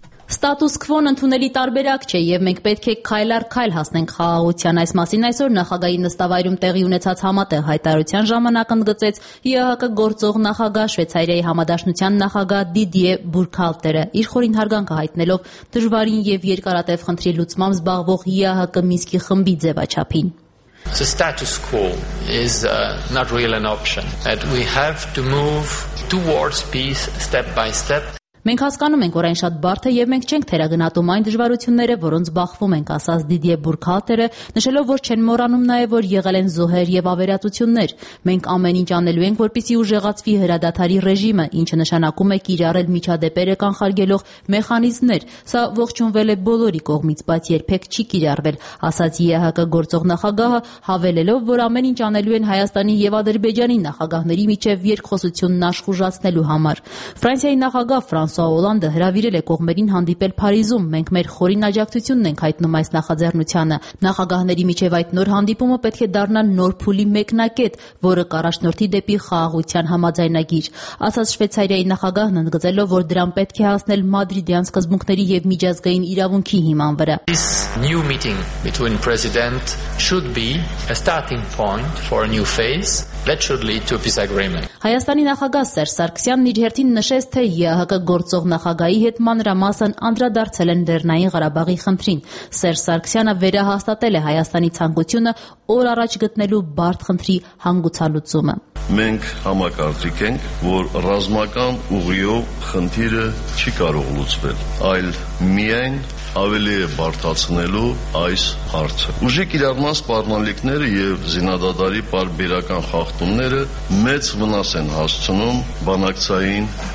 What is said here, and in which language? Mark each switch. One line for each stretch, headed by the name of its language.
Armenian: Ստատուս քվոն ընդունելի տարբերակ չէ եւ մենք պետք է քայլ առ քայլ հասնենք խաղաղության։ Այս մասին այսօր նախագահի նստավայրում տեղի ունեցած համատեղ հայտարարության ժամանակ ընդգծեց ԵՀԿ գործող նախագահ Շվեցարիայի համադաշնության նախագահ Դիդիե Բուրհալտերը, իր խորին հարգանքը հայտնելով դժվարին եւ երկարատև խնդրի լուծմամբ զբաղվող ԵՀԿ Մինսկի խմբի ձևաչափին։
English: The status quo is not really an option. That we have to move towards peace step by step.
Armenian: Մենք հասկանում ենք, որ այն շատ բարդ է եւ մենք չենք թերագնահատում այն դժվարությունները, որոնց բախվում ենք, ասաց Դիդիե Բուրհալտերը, նշելով, որ չեն մոռանում նաեւ, որ եղել են զոհեր եւ ավերածություններ։ Մենք ամեն ինչ անելու ենք, որպեսզի ուժեղացվի հրադադարի ռեժիմը, ինչը նշանակում է կիրառել միջադեպերը կանխարգելող մեխանիզմներ։ Սա ողջունվել է բոլորի կողմից, բայց երբեք չի կիրառվել, ասաց ԵՀԿ գործող նախագահը, հավելելով, որ ամեն ինչ անելու են Հայաստանի եւ Ադրբեջանի նախագահների միջև երկխոսությունն աշխուժացնելու համար։ Ֆրանսիայի նախագահ Ֆրանսուա Օլանդը հրավիրել է կողմերին հանդիպել Փարիզում։ Մենք մեր խորին աջակցությունն ենք հայտնում այս նախաձեռնությանը։ Նախագահների միջև այդ նոր հանդիպումը պետք է դառնա նոր փուլի մեկնակետ, որը կառաջնորդի դեպի խաղաղության համաձայնագիր, ասաց Շվեցարիայի նախագահն, ընդգծելով, որ դրան պետք է հասնել Մադրիդյան սկզբունքների եւ միջազգային իրավունքի հիման վրա։
English: This new meeting between president should be a starting point for a new phase that should lead to a peace agreement.
Armenian: Հայաստանի նախագահ Սերժ Սարգսյանն իր հերթին նշեց, թե ԵՀԿ գործող նախագահի հետ մանրամասն անդրադարձել են Լեռնային Ղարաբաղի խնդրին։ Սերժ Սարգսյանը վերահաստատել է Հայաստանի ցանկությունը օր առաջ գտնելու բարդ խնդրի հանգուցալուծումը։ Մենք համակարծիք ենք, որ ռազմական ուղիով խնդիրը չի կարող լուծվել, այլ միայն ավելի է բարդացնելու այս հարցը։ Ուժի կիրառման սպառնալիքները եւ զինադադարի պարբերական խախտումները մեծ վնաս են հասցնում բանակցային